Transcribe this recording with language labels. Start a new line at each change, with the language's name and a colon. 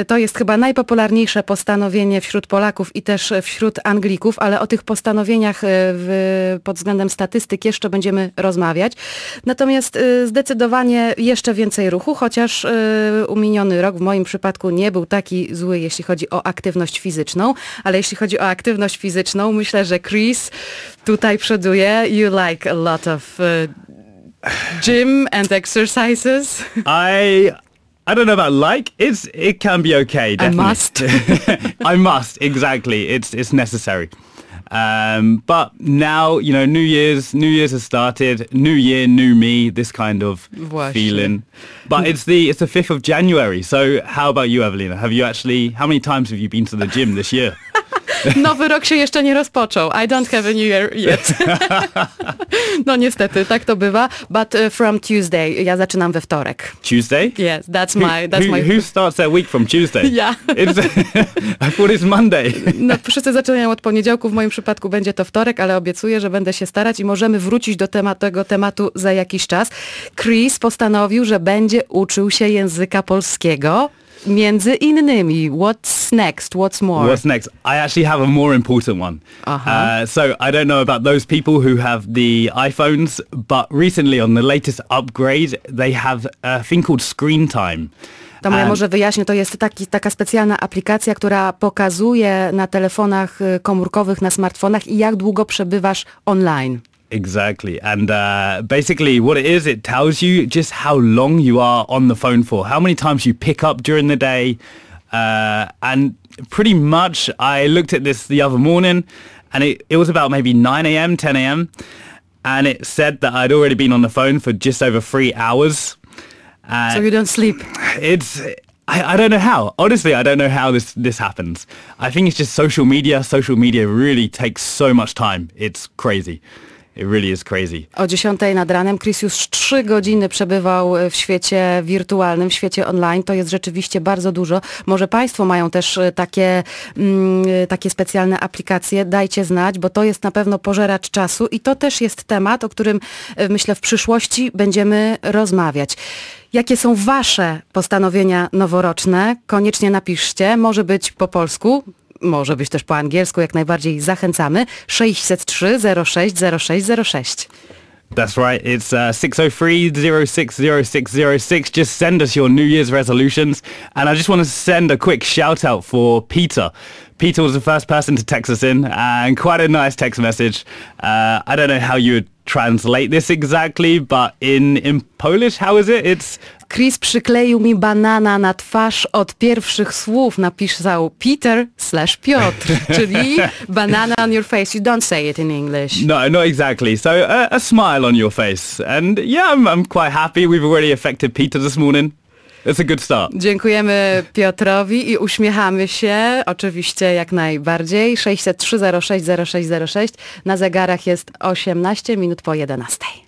Polish: To jest chyba najpopularniejsze postanowienie wśród Polaków i też wśród Anglików, ale o tych postanowieniach pod względem statystyk jeszcze będziemy rozmawiać. Natomiast zdecydowanie jeszcze więcej ruchu, chociaż umieniony rok w moim przypadku nie był taki zły, jeśli chodzi o aktywność fizyczną, ale jeśli chodzi o aktywność fizyczną, myślę, że Chris tutaj przoduje.
English: You like a lot of gym and exercises. I don't know about like. It can be okay, definitely. I must. I must, exactly. It's necessary. But now, you know, New Year's has started. New Year, new me, this kind of
Polish: Właśnie.
English: Feeling. But it's the 5th of January. So how about you, Evelina? How many times have you been to the gym this year?
Polish: Nowy rok się jeszcze nie rozpoczął.
English: I don't have a new year yet.
Polish: No niestety, tak to bywa.
English: But from Tuesday,
Polish: ja zaczynam we wtorek.
English: Tuesday? Yes, that's my... Who starts their week from Tuesday?
Polish: Ja.
English: I thought it's Monday.
Polish: No wszyscy zaczynają od poniedziałku, w moim przypadku będzie to wtorek, ale obiecuję, że będę się starać i możemy wrócić do tego tematu za jakiś czas. Chris postanowił, że będzie uczył się języka polskiego. Między innymi,
English: what's next? What's more? What's next? I actually have a more important one. Uh-huh. So I don't know about those people who have the iPhones, but recently on the latest upgrade, they have a thing called screen time.
Polish: To ja może wyjaśnię, to jest taka specjalna aplikacja, która pokazuje na telefonach komórkowych, na smartfonach, jak długo przebywasz online.
English: Exactly. And basically what it is, it tells you just how long you are on the phone for, how many times you pick up during the day. And pretty much I looked at this the other morning and it was about maybe 9 a.m., 10 a.m. And it said that I'd already been on the phone for just over 3 hours. So you don't sleep. I don't know how. Honestly, I don't know how this happens. I think it's just social media. Social media really takes so much time. It's crazy. It really is crazy.
Polish: O 10 nad ranem Chris już 3 godziny przebywał w świecie wirtualnym, w świecie online. To jest rzeczywiście bardzo dużo. Może Państwo mają też takie specjalne aplikacje. Dajcie znać, bo to jest na pewno pożeracz czasu i to też jest temat, o którym myślę w przyszłości będziemy rozmawiać. Jakie są Wasze postanowienia noworoczne? Koniecznie napiszcie, może być po polsku. Może być też po angielsku, jak najbardziej zachęcamy. 603-060-606.
English: That's right. It's 603-060-606. Just send us your New Year's resolutions. And I just want to send a quick shout out for Peter. Peter was the first person to text us in, and quite a nice text message. I don't know how you would translate this exactly, but in Polish, how is it? It's...
Polish: Chris przykleił mi banana na twarz od pierwszych słów, napisał Peter/Piotr, czyli
English: banana on your face. You don't say it in English. No, not exactly. So a smile on your face. And yeah, I'm quite happy. We've already affected Peter this morning. It's a good start.
Polish: Dziękujemy Piotrowi i uśmiechamy się, oczywiście jak najbardziej. 603-060-606. Na zegarach jest 18 minut po 11.